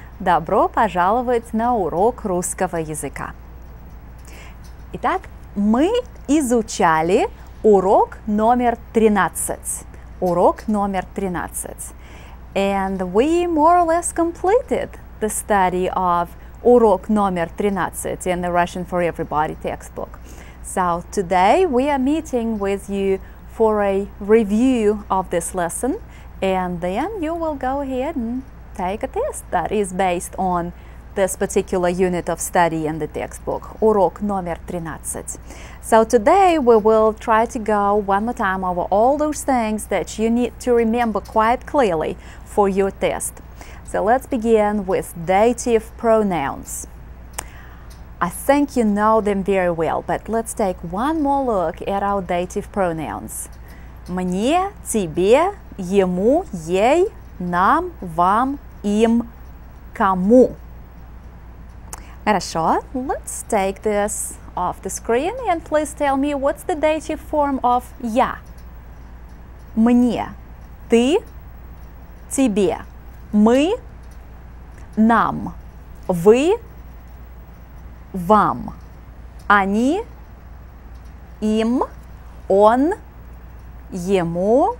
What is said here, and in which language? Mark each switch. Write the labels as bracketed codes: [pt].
[ru] Добро пожаловать на урок русского языка! Итак, мы изучали урок номер 13. Урок номер 13. [en] And we more or less completed the study of [ru] урок номер 13 [en] in the Russian for Everybody textbook. So today we are meeting with you for a review of this lesson, and then you will go ahead and take a test that is based on this particular unit of study in the textbook, [ru] урок номер 13. [en] So today we will try to go one more time over all those things that you need to remember quite clearly for your test. So let's begin with dative pronouns. I think you know them very well, but let's take one more look at our dative pronouns. [ru] Мне, тебе, ему, ей, нам, вам, им, кому. Хорошо, [en] let's take this off the screen and please tell me what's the dative form of я. [ru] Мне, ты, тебе, мы, нам, вы, вам, они, им, он, ему.